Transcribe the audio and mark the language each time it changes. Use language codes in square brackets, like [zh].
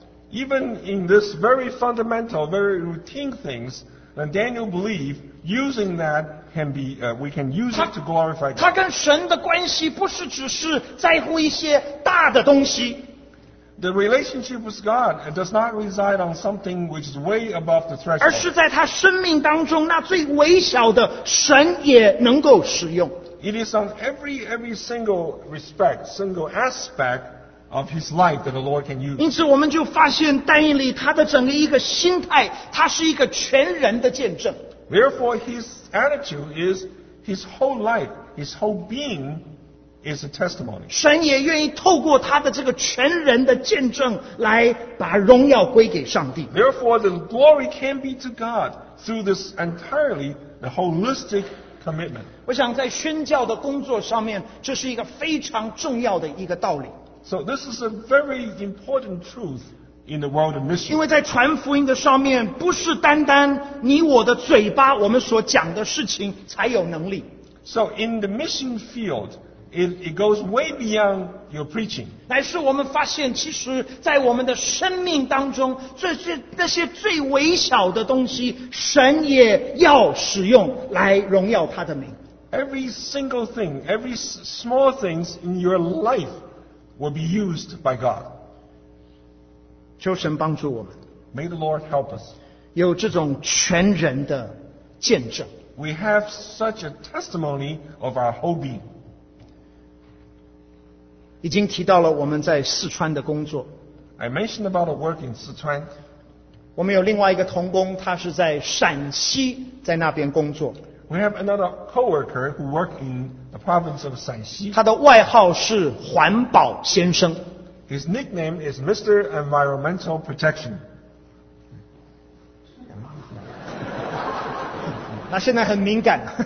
[en] Even in this very fundamental, very routine things, then Daniel believed using that can be, we can use it to glorify God. [zh] 他跟神的关系不是只是在乎一些大的东西。 [en] The relationship with God does not reside on something which is way above the threshold. [zh] 而是在他生命当中那最微小的，神也能够使用。 [en] It is on every single respect, single aspect,of his life that the Lord can use. [zh] 因此我们就发现但以理他的整个一个心态，他是一个全人的见证。 [en] Therefore, his attitude is his whole life, his whole being is a testimony. [zh] 神也愿意透过他的这个全人的见证来把荣耀归给上帝。 [en] Therefore, the glory can be to God through this entirely the holisticcommitment. [zh] 我想在宣教的工作上面，这是一个非常重要的一个道理。 [en] So this is a very important truth in the world of mission. [zh] 因为在传福音的上面，不是单单你我的嘴巴我们所讲的事情才有能力。 [en] So in the mission field, it goes way beyond your preaching. [zh] 乃是我们发现，其实在我们的生命当中，那些最微小的东西，神也要使用来荣耀他的名。 [en] Every single thing, every small things in your life. Will be used by God. [zh] 求神帮助我们。 [en] May the Lord help us. [zh] 有这种全人的见证。 [en] We have such a testimony of our whole being. [zh] 已经提到了我们在四川的工作。 [en] I mentioned about a work in 四川。 [zh] 我们有另外一个同工，他是在陕西，在那边工作。 [en] We have another coworker who works in the province of 陕西. [zh] 他的外号是环保先生。 [en] His nickname is Mr. Environmental Protection. [zh] 他现在很敏感。